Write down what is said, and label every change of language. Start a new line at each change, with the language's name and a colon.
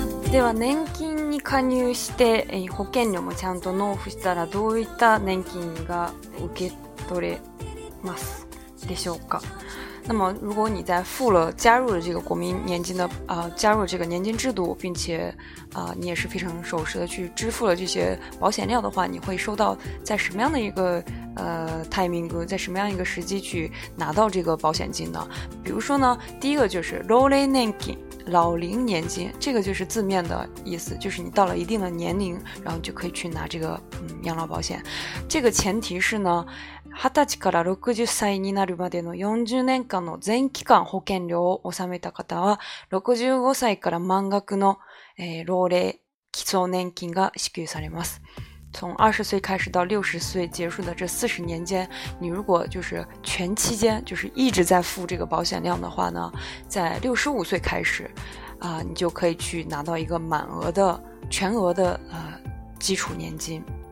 Japanese: では年金に加入して保険料もちゃんと納付したらどういった年金が受け取れますでしょうか。
Chinese: 那么如果你在付了加入了这个国民年金的加入了这个年金制度，并且你也是非常守时的去支付了这些保险料的话，你会收到在什么样的一个timing， 在什么样一个时机去拿到这个保险金呢？比如说呢，第一个就是老龄年金，老龄年金，这个就是字面的意思，就是你到了一定的年龄，然后就可以去拿这个养老保险。这个前提是呢，
Japanese: 二十歳から六十歳になるまでの四十年間の全期間保険料を納めた方は、六十五歳から満額の老齢基礎年金が支給されます。
Chinese: 从20岁开始到60岁结束的这40年间，你如果就是全期间就是一直在付这个保险量的话呢，在65岁开始你就可以去拿到一个满额的全额的基础年金。